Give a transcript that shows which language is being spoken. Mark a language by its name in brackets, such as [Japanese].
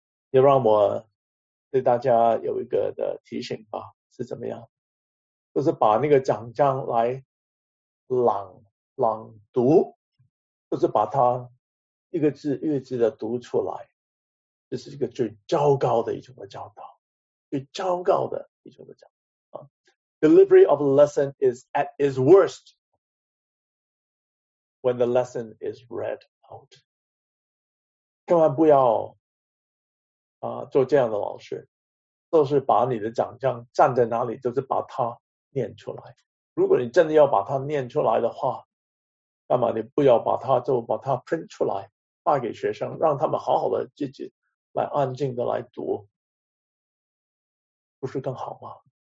[Chinese] 也让我对大家有一个的提醒吧，是怎么样？就是把那个讲章来朗读，就是把它一个字一个字的读出来，这是一个最糟糕的一种的教导。最糟糕的一种的讲啊 [English] ，delivery of a lesson is at its worst when the lesson is read out。 [Chinese] 千万不要啊做这样的老师，都是把你的讲章站在哪里，就是把它念出来。如果你真的要把它念出来的话，干嘛你不要把它就把它 print 出来发给学生，让他们好好的自己来安静的来读。不是更好吗？